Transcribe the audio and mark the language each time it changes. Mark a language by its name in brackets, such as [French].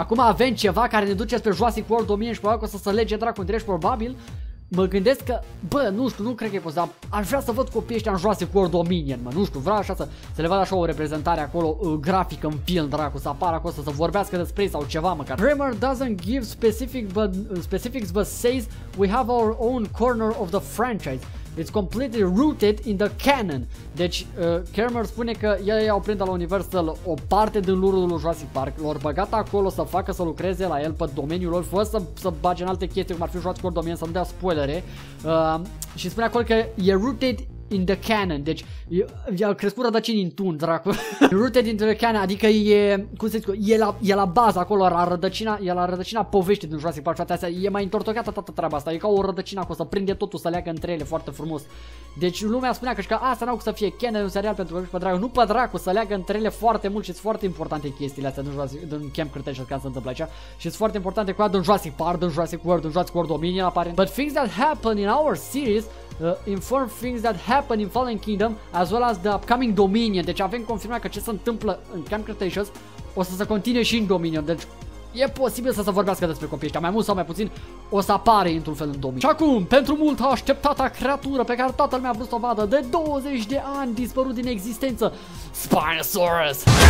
[Romanian] Acum avem ceva care ne duce spre Jurassic World Dominion și probabil că o să se lege, dracu, între ești probabil. Mă gândesc că, bă, nu știu, nu cred că e posibil, dar aș vrea să văd copiii ăștia în Jurassic World Dominion, mă, nu știu, vreau așa să le vadă așa o reprezentare acolo, grafică în film, dracu, să apară acolo, să vorbească despre ei sau ceva măcar. [English] Kramer doesn't give specifics but says we have our own corner of the franchise. It's completely rooted in the canon. [Romanian] Deci Kramer spune că ei au prins la Universal o parte din lorul lui Jurassic Park, l-au băgat acolo să facă să lucreze la el pe domeniul lor, fără să bage în alte chestii cum ar fi Jurassic World Dominion, să nu dea spoilere. Și spune acolo că e [English] rooted in the canon. [Romanian] Deci i-a crescut rădăcini în tun, dracu. [English] Rooted in the canon, [Romanian] adică e, cum să zic, e la bază acolo, e la rădăcina poveștii din Jurassic Park. Astea, e mai întortocheată toată treaba asta. E ca o rădăcină acolo, să prinde totul, să leagă între ele foarte frumos. Deci lumea spunea că asta n-au cum să fie canon, un serial pentru copii, pe dracu. Nu, pe dracu, să leagă între ele foarte mult și sunt foarte importante chestiile astea din Camp Cretaceous, când se întâmplă așa. Și sunt foarte importante cu din Jurassic Park, din Jurassic World, din Jurassic World Dominion, aparent. [English] But things that happen in our series inform things that happen in Fallen Kingdom as well as the upcoming Dominion. [Romanian] Deci avem confirmat că ce se întâmplă în Camp Cretaceous o să se continue și în Dominion. Deci e posibil să se vorbească despre copiii ăștia, mai mult sau mai puțin o să apare într-un fel în Dominion. Și acum, pentru mult așteptata creatură pe care toată lumea a vrut să o vadă de 20 de ani dispărut din existență, Spinosaurus.